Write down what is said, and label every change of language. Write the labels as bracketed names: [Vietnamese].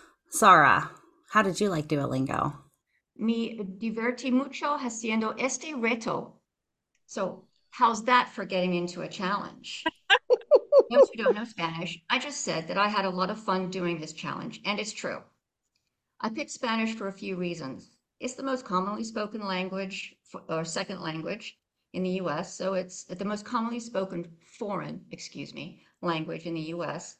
[English] Sara, how did you like Duolingo? [Spanish] Me divertí mucho haciendo este reto. [English] So, how's that for getting into a challenge? Those who don't know Spanish, I just said that I had a lot of fun doing this challenge, and it's true. I picked Spanish for a few reasons. It's the most commonly spoken language or second language in the US, so it's the most commonly spoken foreign, excuse me, language in the US.